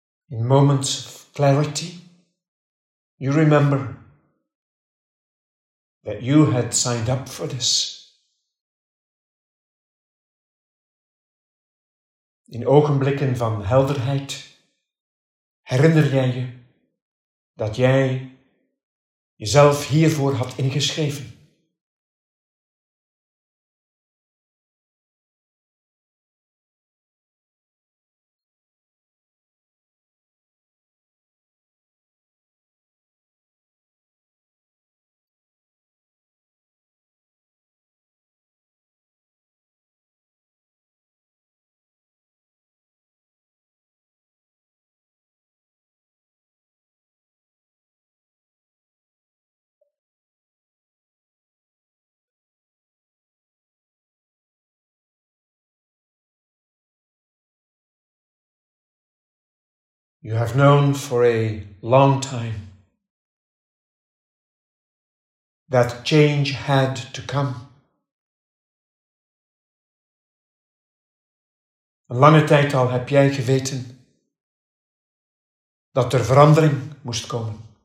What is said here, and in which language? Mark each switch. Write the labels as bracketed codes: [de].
[en] In moments of clarity, you remember that you had signed up for this. [nl] In ogenblikken van helderheid herinner jij je dat jij jezelf hiervoor had ingeschreven. [en] You have known for a long time that change had to come. [nl] Een lange tijd al heb jij geweten dat er verandering moest komen.